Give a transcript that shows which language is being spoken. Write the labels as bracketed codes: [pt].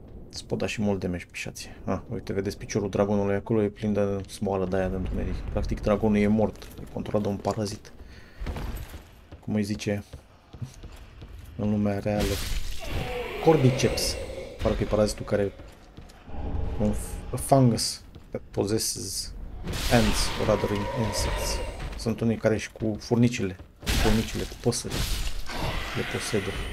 [ro] Îți pot da și mult damage, pișații. Ah, uite, vedeți piciorul dragonului acolo, e plin de smoală de aia de întuneric. Practic, dragonul e mort, e controlat de un parazit. Cum îi zice în lumea reală? Cordyceps. Parcă e parazitul care... [en] un fungus that possesses ants, or rather insects. [ro] Sunt unii care și cu furnicile, cu păsări, le posedă.